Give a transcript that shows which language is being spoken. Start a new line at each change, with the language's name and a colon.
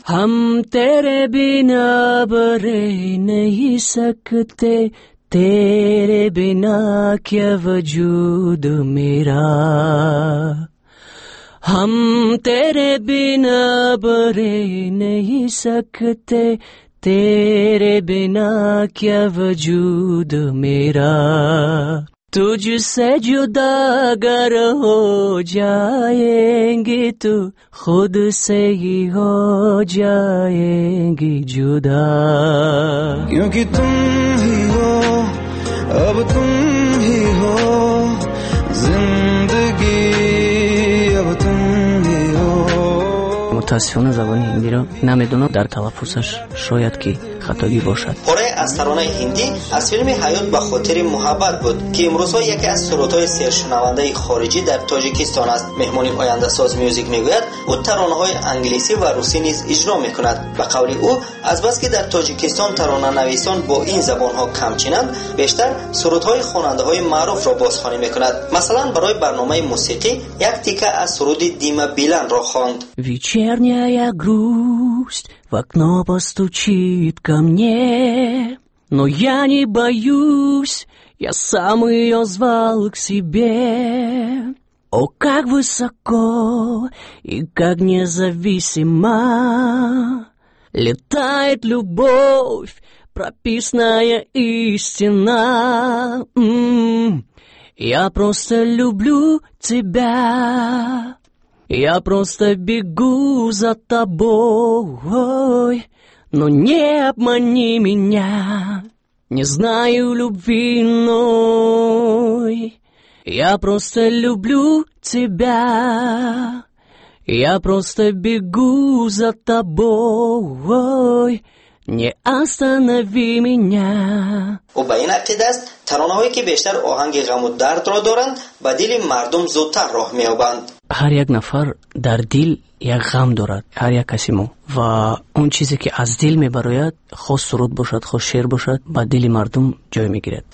Hindi: هم تیره بنا بره نهی سکته تیره بنا که وجود میرا हम तेरे बिना बरे नहीं सकते तेरे बिना क्या वजूद मेरा तुझसे जुदा अगर हो जाएंगे तो खुद से ही हो जाएंगी जुदा क्योंकि तुम ही हो अब तुम ही हो जिंदगी
Persian: تاسفانه زبانی هندی را نمیدونم در تلفظش شاید که خطایی باشد. پاره از ترانه هندی از فیلم حیات به خاطر محبت بود که امروز ها یکی از سرودهای سرشنونده خارجی در تاجیکستان است. مهمانی آینده ساز میوزیک میگوید او ترانه های انگلیسی و روسی نیز اجرا میکند. به قول او از بس که در تاجیکستان ترانه نویسان با این زبان ها کمچینند بیشتر سرودهای خواننده های معروف را بازخوانی میکند. مثلا برای برنامه موسیقی یک تیکه از سرود دیما بیلان را خواند.
Russian: Вечерняя грусть в окно постучит ко мне, но я не боюсь, я сам ее звал к себе. О, как высоко и как независимо летает любовь, прописная истина. Я просто люблю тебя, я просто бегу за тобой. Но не обмани меня, не знаю любви иной. Я просто люблю тебя, я просто бегу за тобой. Не останови меня.
Tajik: У Баина Акидас таронаҳое, ки бештар оҳанги ғаму дардро доранд, ба дили мардум зудтар роҳ меёбанд. Ҳар як нафар дар дил як ғам дорад, ҳар як каси мо. Ва он чизе, ки аз дил мебарояд, хос суруд бошад, хос шеър бошад, ба дили мардум ҷой мегирад.